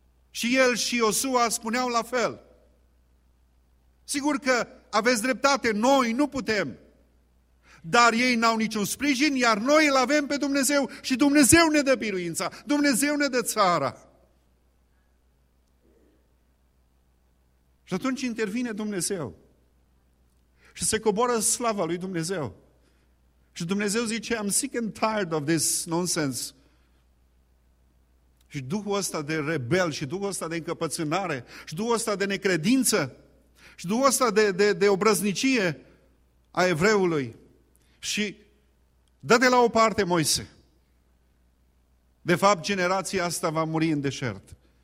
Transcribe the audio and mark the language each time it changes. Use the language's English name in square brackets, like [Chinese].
[Romanian] Și el și Iosua spuneau la fel. Sigur că aveți dreptate, noi nu putem, dar ei n-au niciun sprijin, iar noi îl avem pe Dumnezeu și Dumnezeu ne dă biruința, Dumnezeu ne dă țara. Și atunci intervine Dumnezeu și se coboară slava lui Dumnezeu. Și Dumnezeu zice, [English] I'm sick and tired of this nonsense. [Romanian] Și Duhul ăsta de rebel și Duhul ăsta de încăpățânare și Duhul ăsta de necredință și Duhul ăsta de obrăznicie a evreului. Și dă-te la o parte, Moise. De fapt, generația asta va muri în deșert.